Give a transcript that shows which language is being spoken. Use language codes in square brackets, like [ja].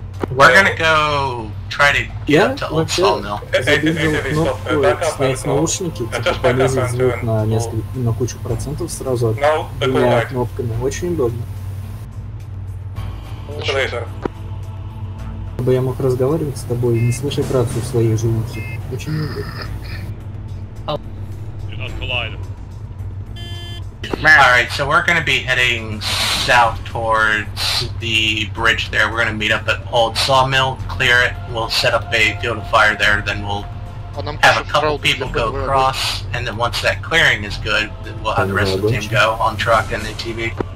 [en] We're gonna go try to get up to Old Sawmill. [ru] Лейзер. Чтобы я мог разговаривать с тобой и не слышать рацию в своей же ухе. Очень много. [en] Alright, so we're gonna be heading south towards the bridge there. We're gonna meet up at Old Sawmill, clear it, we'll set up a field of fire there, then we'll have a couple people go across, and then once that clearing is good, then we'll have the rest of the team go on truck and the TV.